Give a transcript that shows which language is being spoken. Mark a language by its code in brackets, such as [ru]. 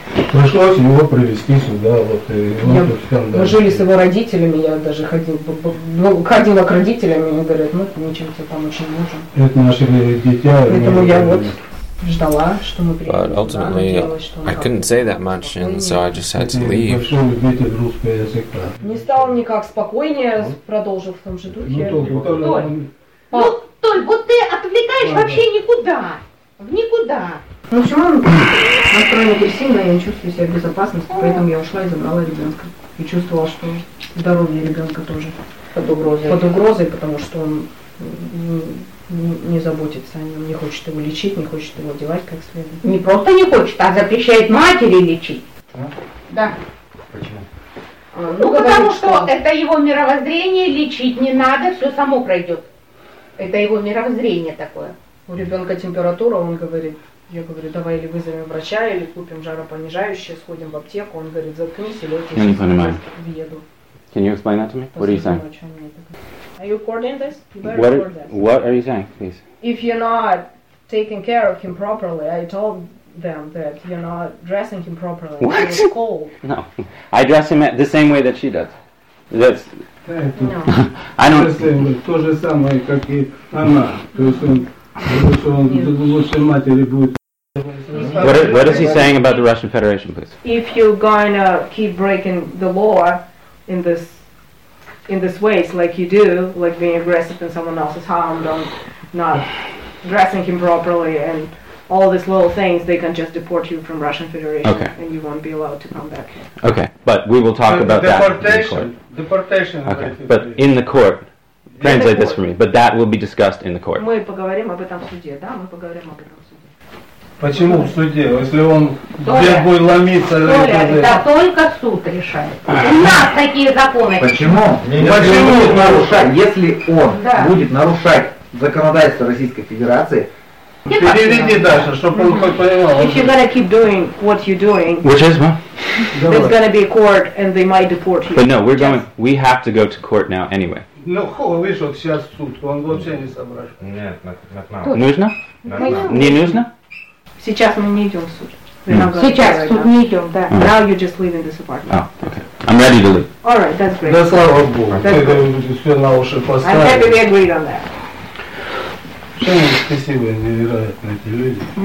[ru] Пришлось его привезти сюда, вот и вот тут скандал. Мы жили с его родителями, я даже ходила к родителям, и они говорят, ну, ничем тебе там очень не нужен. Это наши дитя. Поэтому я вот ждала, что мы приедем. [en] But ultimately, I couldn't say that much, and so I just had to leave. [ru] Пошел любитель русского языка. Не стал никак спокойнее, продолжил в том же духе. Ну, только... Ну, Толь, вот ты отвлекаешь вообще никуда. В никуда. Ну, все равно, настроение агрессивное, я не чувствую себя в безопасности, поэтому я ушла и забрала ребенка. И чувствовала, что здоровье ребенка тоже под угрозой. Под угрозой, потому что он не заботится о нем, не хочет его лечить, не хочет его одевать как следует. Не просто не хочет, а запрещает матери лечить. А? Да. Почему? Ну, говорит, потому что это его мировоззрение, лечить не надо, все само пройдет. Это его мировоззрение такое. У ребенка температура, он говорит, я говорю, давай или вызовем врача, или купим жаропонижающее, сходим в аптеку. Он говорит, заткнись, и вот я не понимаю. Въеду. [en] Can you explain that to me? What are you saying? Are you recording this? What are you saying, please? If you're not taking care of him properly, I told them that you're not dressing him properly. What? He's cold. No. I dress him the same way that she does. That's... No. I don't... The same way, the same way, as she does. What is he saying about the Russian Federation, please? If you're gonna keep breaking the law in this ways, like you do, like being aggressive in someone else's home, not dressing him properly, and all these little things, they can just deport you from Russian Federation, okay. And you won't be allowed to come back. Okay, but we will talk about deportation, that in court. Deportation. Okay, but in the court. Translate this for me, but that will be discussed in the court. [ru] Мы поговорим об этом в суде, да? Мы поговорим об этом в суде. Почему в суде? Если он бегой ломится... Толя, это только суд решает. У нас такие законы. Почему? Почему будет нарушать, если он будет нарушать законодательство Российской Федерации? Переведи дальше, чтобы он хоть понимал. [en] If you're gonna keep doing what you're doing... Which is what? There's gonna be a court and they might deport you. But no, we're going... We have to go to court now anyway. [ru] Ну, хуй, видишь, вот сейчас суд, он вообще не соображает. Нет, нет, нет. Нужно? Не нужно? Сейчас мы не идем в суд. Сейчас в суд не идем, да. [en] Now you're just leaving this apartment. Oh, okay. I'm ready to leave. All right, that's great. [ru] Да слава Богу. Ты все на уши поставил. [en] I'm happy we agreed on that. [ru] Что они спасибо, невероятные эти люди.